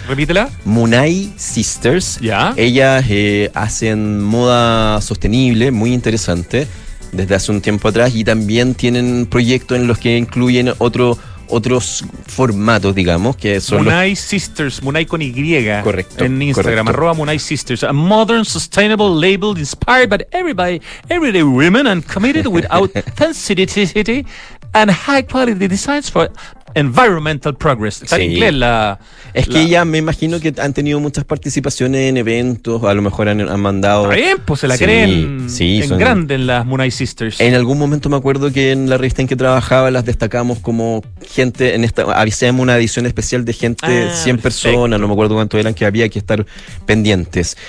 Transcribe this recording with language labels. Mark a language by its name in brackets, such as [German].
[Spanish] Repítela. Munay Sisters. Ya. Ellas hacen moda sostenible, muy interesante, desde hace un tiempo atrás, y también tienen proyectos en los que incluyen otros formatos, digamos, que son Munay Sisters, Munay con Y. Correcto. En Instagram, arroba Munay Sisters, [English] a modern, sustainable label inspired by everyday women and committed with authenticity and high quality designs for environmental progress. [Spanish] Está sí. Inglés la... Es que ya me imagino que han tenido muchas participaciones en eventos, a lo mejor han mandado... Bien, pues se la creen en grande en las Munay Sisters. En algún momento me acuerdo que en la revista en que trabajaba las destacamos como gente en esta... Avisamos una edición especial de gente, 100 personas, no me acuerdo cuánto eran, que había que estar pendientes.